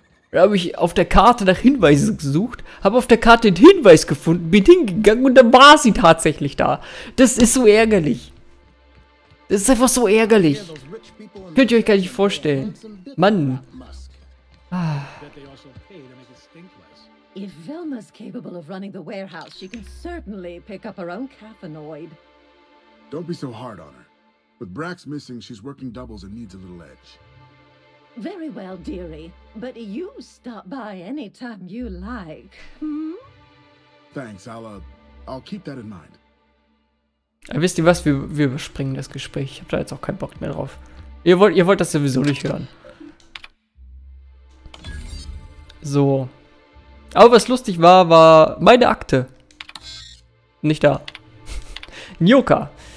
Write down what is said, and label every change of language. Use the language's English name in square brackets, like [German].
[German] Da habe ich auf der Karte nach Hinweisen gesucht, habe auf der Karte den Hinweis gefunden, bin hingegangen und dann war sie tatsächlich da. Das ist so ärgerlich. Das ist einfach so ärgerlich. Könnt ihr euch gar nicht vorstellen. Mann. [English] If Velma's capable of running the warehouse, she can certainly pick up her own caffeinoid. Don't be so hard on her. With Brax missing, she's working doubles and needs a little edge. Very well, dearie. But you stop by any time you like, hmm? Thanks, I'll keep that in mind. [German] Ja, wisst ihr was? Wir überspringen das Gespräch. Ich hab da jetzt auch keinen Bock mehr drauf. Ihr wollt das sowieso nicht hören. So. Aber was lustig war, war meine Akte. Nicht da. Nyoka.